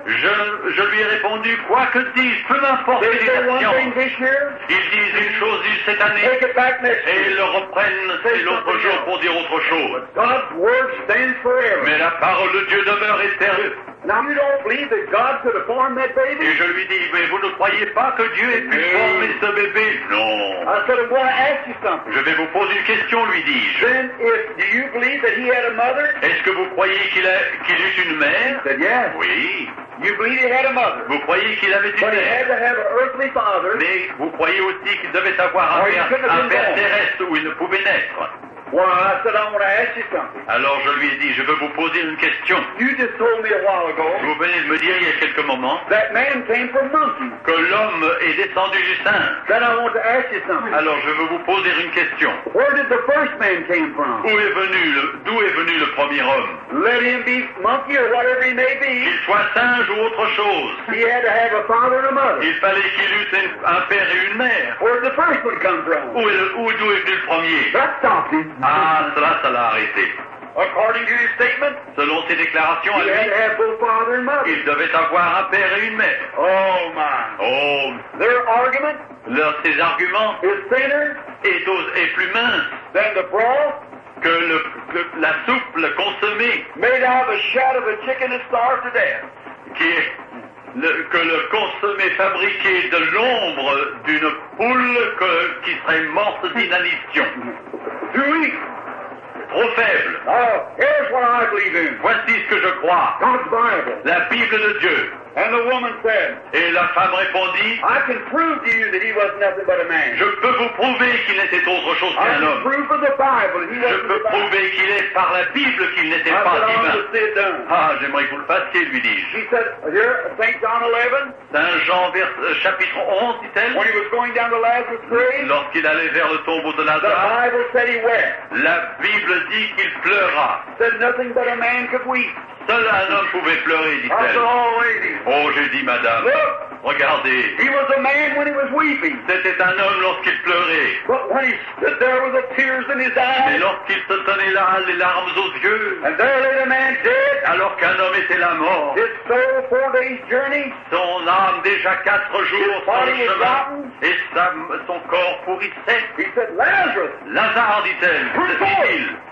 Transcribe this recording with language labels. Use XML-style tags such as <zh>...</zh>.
<fr>Je lui ai répondu, quoi que dise, peu m'importe</fr> <en>they</en> <fr>la science.</fr> <en>One thing this year,</en> <fr>ils disent une chose cette année</fr> <en>take it back next</en> <fr>et ils le reprennent</fr> <en>say</en> <fr>l'autre jour</fr> <en>else.</en> <fr>Pour dire autre chose.</fr> <en>But God's word stands forever.</en> <fr>Mais la parole de Dieu demeure éternelle.</fr> <en>Now you don't believe that God could have formed that baby?</en> <fr>Et je lui dis, mais vous ne croyez pas que Dieu ait pu former ce bébé? Non.</fr> <en>I said, I'm going to ask you something.</en> <fr>Je vais vous poser une question, lui dis-je.</fr> <en>Then, if do you believe that he had a mother?</en> <fr>Est-ce que vous croyez qu'il eut une mère?</fr> <en>He said, yes.</en> <fr>Oui.</fr> <en>You believe he had a mother?</en> <fr>Vous croyez qu'il avait une</fr> <en>but</en> <fr>mère?</fr> <en>But he had to have an earthly father.</en> <fr>Mais vous croyez aussi qu'il devait avoir un père terrestre où il ne pouvait naître?</fr> <en>Well, I said, I want to ask you something.</en> <fr>Alors je lui ai dit, je veux vous poser une question.</fr> <en>You just told me a while ago,</en> <fr>vous venez de me dire il y a quelques moments</fr> <en>that man came from monkeys.</en> <fr>Que l'homme est descendu du singe.</fr> <en>Then I want to ask you something.</en> <fr>Alors je veux vous poser une question.</fr> <en>Where did the first man came from?</en> <fr>D'où est venu le premier homme?</fr> <en>Let him be monkey or whatever he may be.</en> <fr>Qu'il soit singe ou autre chose.</fr> <en>He had to have a father and a mother.</en> <fr>Il fallait qu'il eût un père et une mère.</fr> <en>Where did the first one come from?</en> <fr>D'où est venu le premier?</fr> <en>That stopped him.</en> <fr>Ah, cela, ça l'a arrêté.</fr> <en>According to his statement,</en> <fr>selon ses déclarations,</fr> <en>he had to have both father and mother.</en> <fr>Il devait avoir un père et une mère.</fr> <en>Oh, man. Oh. Their argument,</en> <fr>ses arguments,</fr> <en>is thinner,</en> <fr>est plus mince,</fr> <en>than the broth,</en> <fr>que la soupe, le consommé,</fr> <en>made out of a shadow of a chicken and starved to death.</en> <fr>Que le consommé fabriqué de l'ombre d'une poule qui serait morte d'inanition. Oui. Trop faible.</fr> <en>Here's what I believe in.</en> <fr>Voici ce que je crois.</fr> <en>God's Bible.</en> <fr>La Bible de Dieu.</fr> <en>And the woman said,</en> <fr>et la femme répondit,</fr> <en>I can prove to you that he was nothing but a man.</en> <fr>Je peux vous prouver qu'il n'était autre chose qu'un homme.</fr> <en>I can prove from the Bible he wasn't</en> <fr>je peux prouver qu'il est par la Bible qu'il n'était pas</fr> <en>said,</en> <fr>divin. Ah, j'aimerais que vous le fassiez, lui dis-je.</fr> <en>She said, here, Saint John 11,</en> <fr>Saint Jean, chapitre 11, dit-elle,</fr> <en>when he was going down to Lazarus' grave,</en> <fr>lorsqu'il allait vers le tombeau de Lazare,</fr> <en>the Bible said he wept.</en> <fr>La Bible dit qu'il pleura.</fr> <en>Said nothing but a man could weep.</en> <fr>Seul un homme pouvait pleurer, dit-elle. Oh, j'ai dit, madame.</fr> <en>Look,</en> <fr>regardez.</fr> <en>He was a man when he was weeping.</en> <fr>C'était un homme lorsqu'il pleurait.</fr> <en>But when he stood there with the tears in his eyes.</en> <fr>Mais lorsqu'il se tenait là, les larmes aux yeux.</fr> <en>And there lay the man dead.</en> <fr>Alors qu'un homme était la mort.</fr> <en>His soul 4 days journey.</en> <fr>Son âme déjà 4 jours sur le chemin. Et son corps pourrissait.</fr> <en>He said, Lazarus.</en> <fr>Lazare, dit-elle.</fr> <en>Prepare.</en>